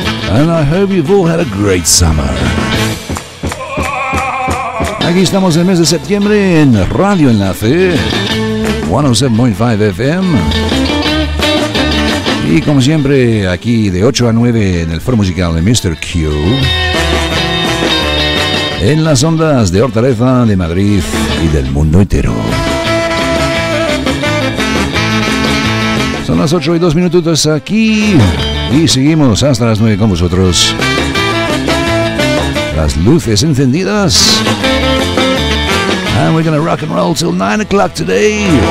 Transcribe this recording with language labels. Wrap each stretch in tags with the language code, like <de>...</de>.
<en>And I hope you've all had a great summer.</en> <es>Aquí estamos en el mes de septiembre en Radio Enlace 107.5 FM. Y como siempre, aquí de 8 a 9 en el foro musical de Mr. Q. En las ondas de Hortaleza, de Madrid y del mundo entero. Son las 8 y 2 minutos aquí y seguimos hasta las 9 con vosotros. Las luces encendidas.</es> <en>And we're gonna rock and roll till 9 o'clock today.</en>